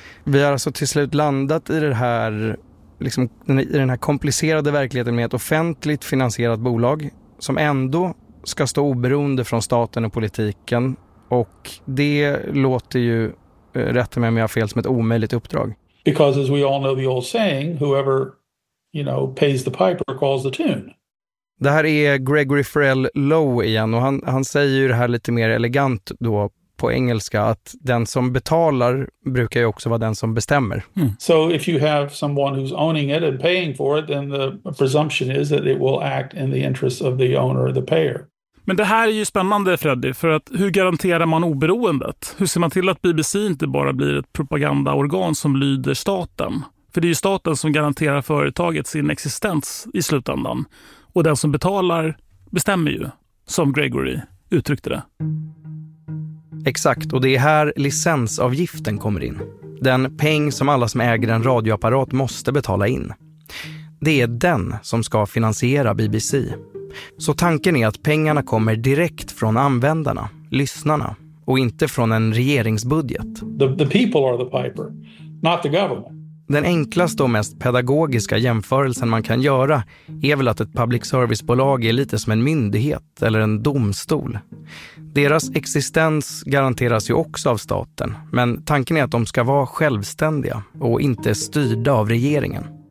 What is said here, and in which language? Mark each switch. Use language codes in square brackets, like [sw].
[sv] Vi har alltså till slut landat i det här liksom, i den här komplicerade verkligheten med ett offentligt finansierat bolag som ändå ska stå oberoende från staten och politiken. Och det låter ju, rätta mig om jag har fel, som ett omöjligt uppdrag. [en] Because as we all know the old saying, whoever, you know, pays the piper calls the tune. [sv] Det här är Gregory Farrell Lowe igen, och han säger ju det här lite mer elegant då på engelska, att den som betalar brukar ju också vara den som bestämmer. Mm. [en] So if you have someone who's owning it and paying for it, then the presumption is that it will act in the interest of the owner or the payer. [sv] Men det här är ju spännande, Freddy, för att hur garanterar man oberoendet? Hur ser man till att BBC inte bara blir ett propagandaorgan som lyder staten? För det är ju staten som garanterar företaget sin existens i slutändan. Och den som betalar bestämmer ju, som Gregory uttryckte det. Exakt, och det är här licensavgiften kommer in. Den peng som alla som äger en radioapparat måste betala in. Det är den som ska finansiera BBC. Så tanken är att pengarna kommer direkt från användarna, lyssnarna, och inte från en regeringsbudget. [en] The people are the piper, not the government. [sv] Den enklaste och mest pedagogiska jämförelsen man kan göra är väl att ett public service-bolag är lite som en myndighet eller en domstol. Deras existens garanteras ju också av staten, men tanken är att de ska vara självständiga och inte styrda av regeringen.